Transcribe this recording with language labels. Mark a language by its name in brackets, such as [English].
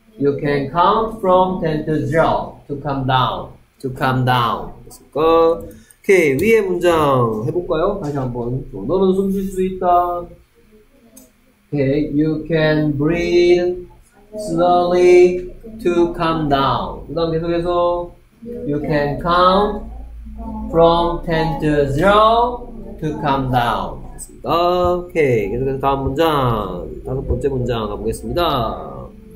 [English] You can count from 10 to 0 to come down. To come down. [Korean] 오케이, 위에 문장 해볼까요? 다시 한번. 너는 숨쉴수 있다. [English] Okay, you can breathe slowly to come down. [Korean] 그 다음 계속해서. [English] You can count from 10 to 0 to come down. [Korean] 오케이. 계속해서 다음 문장. 다섯 번째 문장 가보겠습니다.